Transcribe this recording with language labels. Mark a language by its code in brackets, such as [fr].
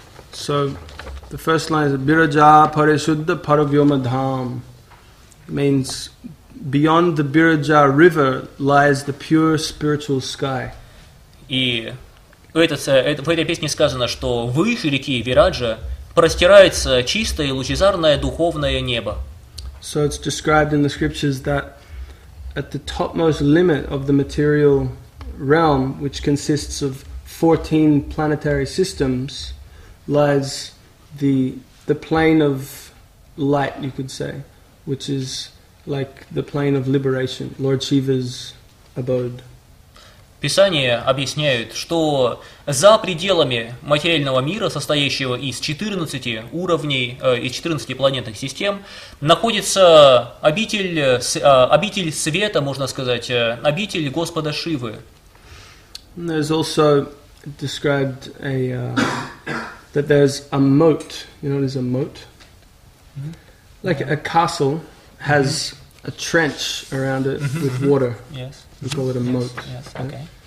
[en] So, the first line is Birja Parishuddha Paravyoma Dham, means beyond the Birja River lies the pure spiritual sky. [ru] И в этой песне сказано, что выше реки Вираджа простирается чистое лучезарное духовное небо. [en] So it's described in the scriptures that at the topmost limit of the material realm, which consists of 14 planetary systems, lies the plane of light, you could say, which is like the plane of liberation, Lord Shiva's abode. [ru] Писание объясняет, что за пределами материального мира, состоящего из 14 уровней, из 14 планетных систем, находится обитель света, можно сказать, обитель Господа Шивы. [en] And there's also described a that there's a moat. You know what is a moat? Mm-hmm. Like a castle has a trench around it with water. Yes. We call it a moat. Yes. Okay.